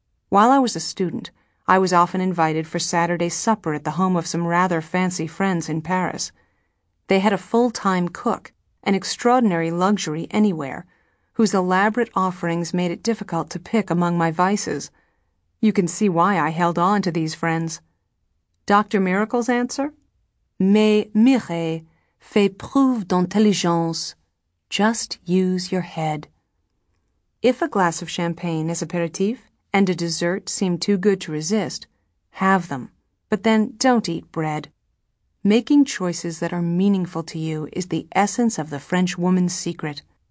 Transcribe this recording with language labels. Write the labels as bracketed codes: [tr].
[en] While I was a student, I was often invited for Saturday supper at the home of some rather fancy friends in Paris. They had a full-time cook, an extraordinary luxury anywhere, whose elaborate offerings made it difficult to pick among my vices. You can see why I held on to these friends. Dr. Miracle's answer? [fr] Mais Mireille fait preuve d'intelligence. [en] Just use your head. If a glass of champagne is aperitif and a dessert seem too good to resist, have them. But then don't eat bread. Making choices that are meaningful to you is the essence of the French woman's secret.